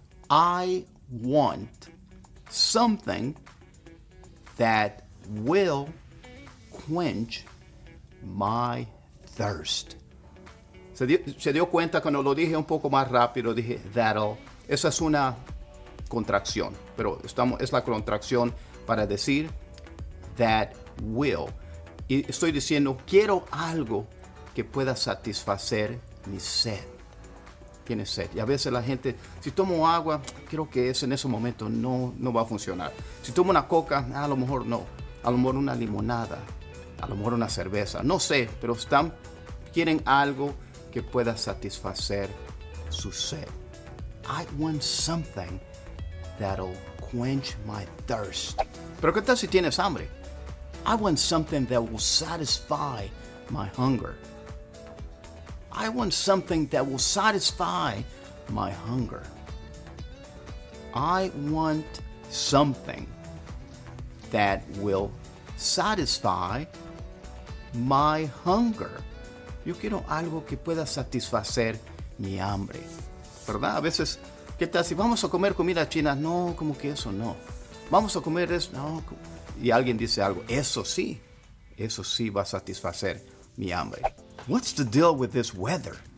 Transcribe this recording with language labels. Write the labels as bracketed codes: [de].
[en] I want something that will quench my thirst. [es] Se dio cuenta cuando lo dije un poco más rápido, dije [en] that'll. [es] Esa es una contracción, pero es la contracción para decir [en] that will. [es] Y estoy diciendo, quiero algo que pueda satisfacer mi sed. Tiene sed. Y a veces la gente, si tomo agua, creo que es en ese momento, no va a funcionar. Si tomo una coca, a lo mejor no. A lo mejor una limonada. A lo mejor una cerveza. No sé, pero quieren algo que pueda satisfacer su sed. [en] I want something that'll quench my thirst. [es] Pero ¿qué tal si tienes hambre? [en] I want something that will satisfy my hunger. I want something that will satisfy my hunger. I want something that will satisfy my hunger. [es] Yo quiero algo que pueda satisfacer mi hambre. ¿Verdad? A veces, ¿qué tal si vamos a comer comida china? No, como que eso no. Vamos a comer eso, no. Y alguien dice algo, eso sí va a satisfacer mi hambre. [en] What's the deal with this weather?